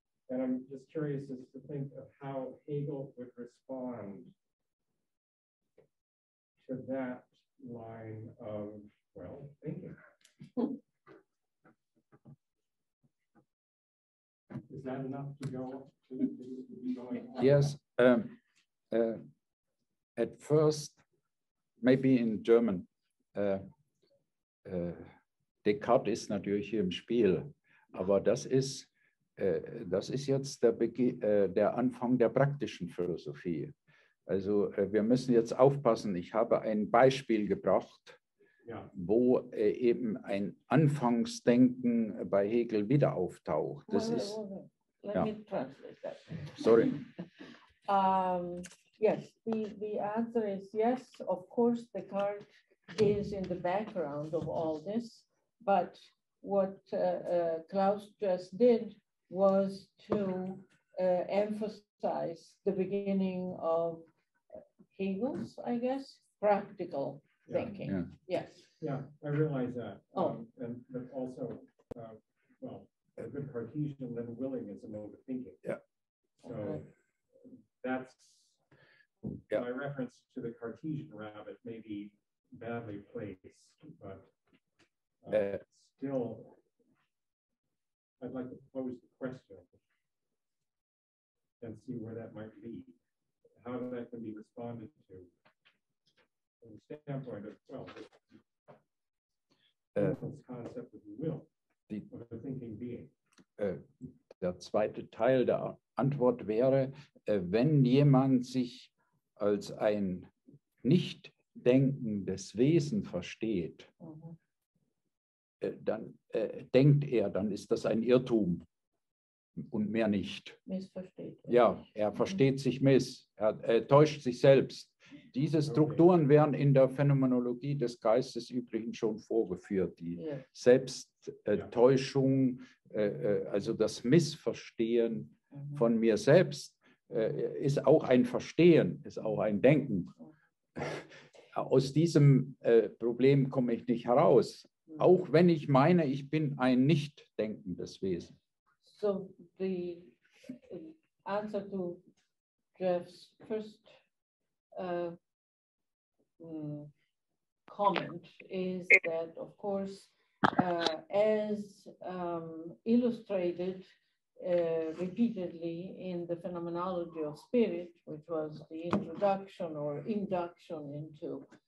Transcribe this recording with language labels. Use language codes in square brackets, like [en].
[en] And I'm just curious as to think of how Hegel would respond to that line of, well, thinking. Is that enough to go to be going on? Yes. At first, maybe in German, [de] Descartes ist natürlich hier im Spiel, aber das ist jetzt der Anfang der praktischen Philosophie. Also wir müssen jetzt aufpassen, ich habe ein Beispiel gebracht, ja, wo eben ein Anfangsdenken bei Hegel wieder auftaucht. [en] Let me translate that. Yes, the answer is yes, of course Descartes is in the background of all this, but what Klaus just did was to emphasize the beginning of Hegel's, I guess, practical thinking. Yeah. Yes. Yeah, I realize that. Oh. But also, a good Cartesian living willing is a mode of thinking. Yeah. So okay. My reference to the Cartesian rabbit may be badly placed, but still, I'd like to pose the question and see where that might lead. How that can be responded to from the standpoint of, this concept of will, of the thinking being. [de] Der zweite Teil der Antwort wäre, wenn jemand sich als ein nicht denkendes Wesen versteht, denkt er, dann ist das ein Irrtum und mehr nicht. Missversteht. Ja, er versteht sich miss, er täuscht sich selbst. Diese Strukturen werden in der Phänomenologie des Geistes übrigens schon vorgeführt, die Selbsttäuschung, also das Missverstehen von mir selbst, ist auch ein Verstehen, ist auch ein Denken. Aus diesem Problem komme ich nicht heraus, auch wenn ich meine, ich bin ein nicht denkendes Wesen. [en] So the answer to Jeff's first comment is that, of course, as illustrated repeatedly in the Phenomenology of Spirit, which was the introduction or induction into